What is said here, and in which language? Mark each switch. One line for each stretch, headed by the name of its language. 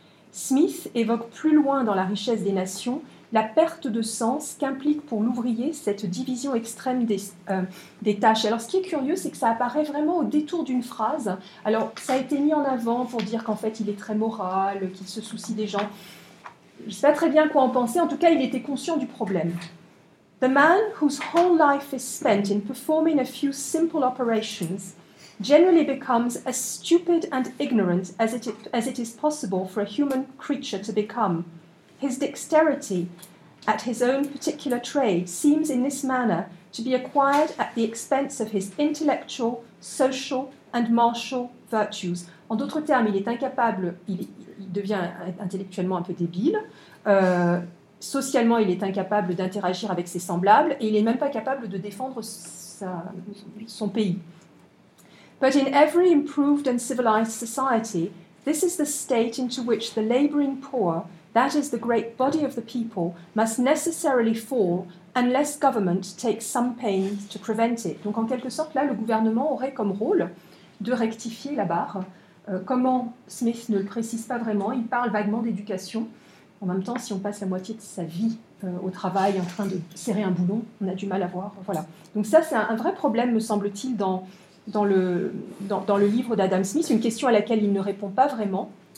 French: Smith évoque plus loin dans La richesse des nations la perte de sens qu'implique pour l'ouvrier cette division extrême des tâches. Alors ce qui est curieux, c'est que ça apparaît vraiment au détour d'une phrase. Alors ça a été mis en avant pour dire qu'en fait il est très moral, qu'il se soucie des gens. Je ne sais pas très bien quoi en penser, en tout cas il était conscient du problème.
English: The man whose whole life is spent in performing a few simple operations generally becomes as stupid and ignorant as it is possible for a human creature to become. His dexterity at his own particular trade seems in this manner to be acquired at the expense of his intellectual, social and martial virtues.
French: En d'autres termes, il est incapable, il devient intellectuellement un peu débile, socialement, il est incapable d'interagir avec ses semblables et il n'est même pas capable de défendre son pays.
English: But in every improved and civilized society, this is the state into which the laboring poor, that is the great body of the people, must necessarily fall unless government takes some pains to prevent it.
French: Donc en quelque sorte, là, le gouvernement aurait comme rôle de rectifier la barre. Comment Smith ne le précise pas vraiment, il parle vaguement d'éducation. En même temps, si on passe la moitié de sa vie au travail en train de serrer un boulon, on a du mal à voir. Voilà. Donc ça, c'est un vrai problème, me semble-t-il, dans le livre d'Adam Smith, une question à laquelle il ne répond pas vraiment.